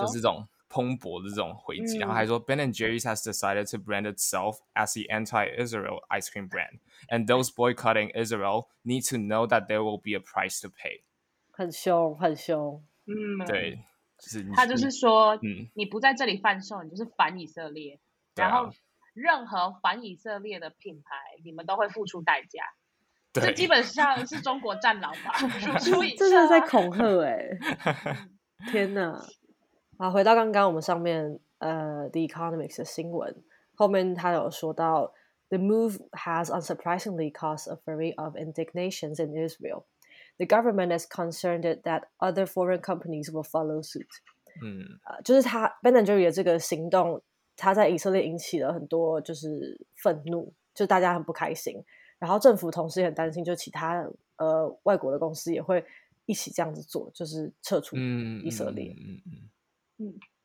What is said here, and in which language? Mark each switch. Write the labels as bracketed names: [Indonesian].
[Chinese] 就是这种蓬勃的这种回击、嗯、然后还说 [English] Ben and Jerry's has decided to brand itself as the anti-Israel ice cream brand and those boycotting Israel need to know that there will be a price to pay。 [Chinese] 很凶很凶。嗯，对、就是、他就是说、嗯、你不在这里贩售，你就是反以色列、啊、然后任何反以色列的品牌你们都会付出代价。对，这基本上是中国战狼吧。这是在恐吓耶、欸、天哪。好，回到刚刚我们上面The Economics 的新闻，后面他有说到 [English] The move has unsurprisingly caused a flurry of indignations in Israel. The government is concerned that other foreign companies will follow suit.、嗯 [Chinese] 就是他 Ben and Jerry 的这个行动，他在以色列引起了很多就是愤怒，就大家很不开心，然后政府同时也很担心，就其他外国的公司也会一起这样子做，就是撤出以色列。嗯，